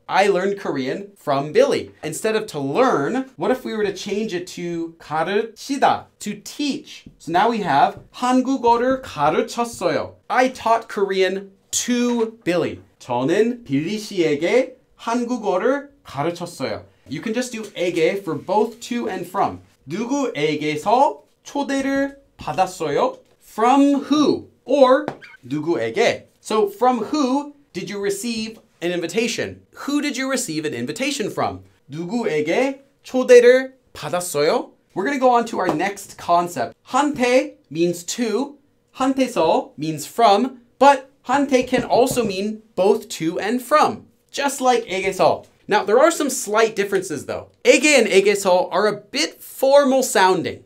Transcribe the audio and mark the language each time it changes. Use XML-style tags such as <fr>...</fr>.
<en>I learned Korean from Billy. Instead of to learn, what if we were to change it to</en> <ko>가르치다,</ko> <en>to teach? So now we have</en> <ko>한국어를 가르쳤어요.</ko> <en>I taught Korean to Billy.</en> <ko>저는 빌리 씨에게 한국어를 가르쳤어요.</ko> <en>You can just do 에게 for both to and from.</en> <ko>누구에게서 초대를 받았어요?</ko> <en>From who? Or</en> <ko>누구에게?</ko> <en>So from who did you receive an invitation? Who did you receive an invitation from?</en> <ko>누구에게 초대를 받았어요?</ko> <en>We're going to go on to our next concept. 한테 means to. 한테서 means from. But 한테 can also mean both to and from. Just like 에게서. Now, there are some slight differences, though. 에게 and 에게서 are a bit formal sounding.</en>